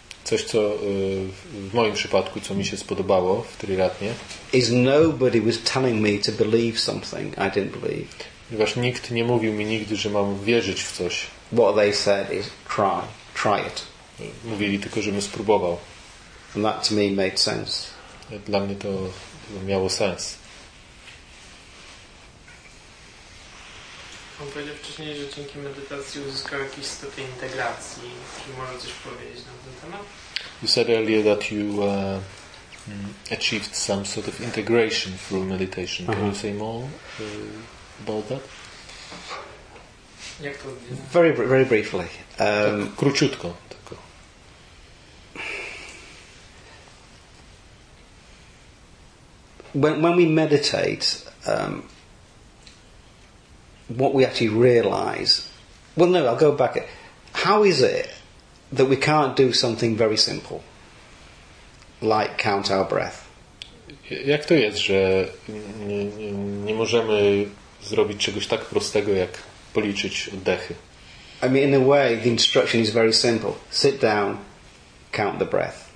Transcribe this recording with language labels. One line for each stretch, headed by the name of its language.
Polish: Coś, co w moim przypadku, co mi się spodobało w Triratnie.
English: Is nobody was telling me to believe something I didn't believe.
Polish: Ponieważ nikt nie mówił mi nigdy, że mam wierzyć w coś.
English: What they said is try it.
Polish: Mówili tylko, żebym spróbował.
English: And that to me made sense.
Polish: Dla mnie to miało sens. Pan powiedział wcześniej, że dzięki medytacji uzyskał jakiś stopień integracji. Czy może coś powiedzieć na ten temat?
English: You said earlier that you achieved some sort of integration through meditation. Can you say more? About that? Very, very briefly.
Polish: Króciutko.
English: When we meditate, what we actually realize. Well, no, I'll go back. How is it that we can't do something very simple, like count our breath?
Polish: Jak to jest, że nie możemy zrobić czegoś tak prostego, jak policzyć oddechy.
English: I mean, in a way, the instruction is very simple. Sit down, count the breath.